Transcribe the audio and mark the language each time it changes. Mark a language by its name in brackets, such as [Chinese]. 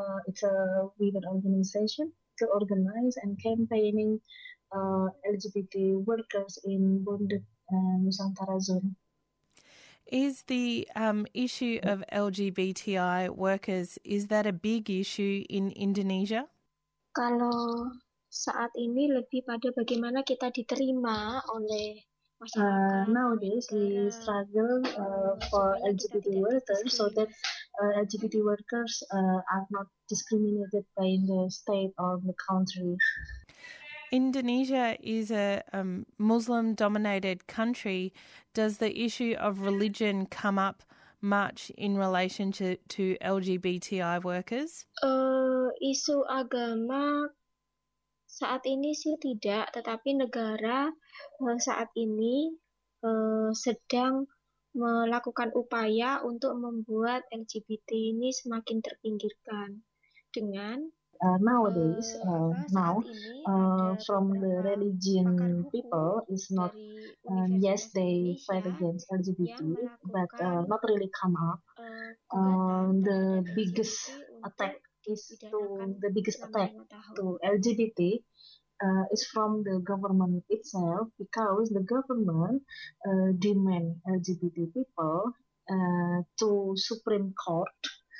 [English] It's a women organization to organize and campaigning LGBT workers in Bundet Nusantara zone. Is the issue of LGBTI workers, is that a big issue in Indonesia? [Indonesian] Kalau saat ini lebih pada bagaimana kita diterima oleh [English] Nowadays, we struggle for LGBT workers so that LGBT workers are not discriminated by the state or the country. Indonesia is a Muslim-dominated country. Does the issue of religion come up much in relation to LGBTI workers? [Indonesian] Isu agama saat ini sih tidak, tetapi negara saat ini sedang melakukan upaya untuk membuat LGBT ini semakin terpinggirkan dengan [English] Nowadays, now, from the religion people, is not, yes, they fight against LGBT, but not really come up. The biggest attack is to the biggest attack to LGBT is from the government itself, because the government demand LGBT people to Supreme Court.